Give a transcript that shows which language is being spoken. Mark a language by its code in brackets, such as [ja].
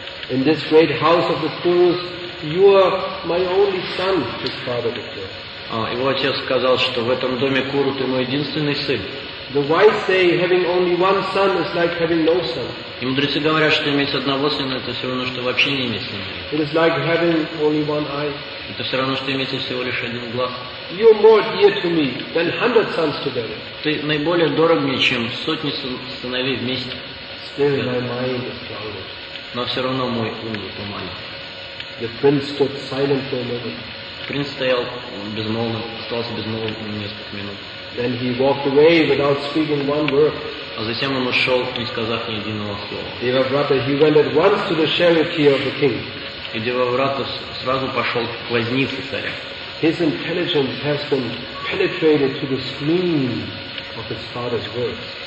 [en] In this great house of the fools, you are my only son, his father declared. [ru] Его отец сказал, что в этом доме кур ты мой единственный сын. [en] The wise say, having only one son is like having no son. [ru] И мудрецы говорят, что иметь одного сына это все равно, что вообще не иметь сына. [en] It is like having only one eye. [ru] Это все равно, что иметь всего лишь один глаз. [en] You are more dear to me than 100 sons together. [ru] Ты наиболее дорог мне, чем сотни сыновей вместе. [en] Still my mind is clouded. [ru] Но все равно мой ум затуманен. [en] The prince stood silent for a moment. [ru] Принц стоял безмолвным, остался безмолвным несколько минут. [en] Then he walked away without speaking one word. [ru] А затем он ушел, не сказав ни единого слова. [en] Devavrata, he went at once to the charioteer of the king. [ru] И Девабрата сразу пошел к вознице царя. [en] His intelligence has been penetrated to the screen of his father's words.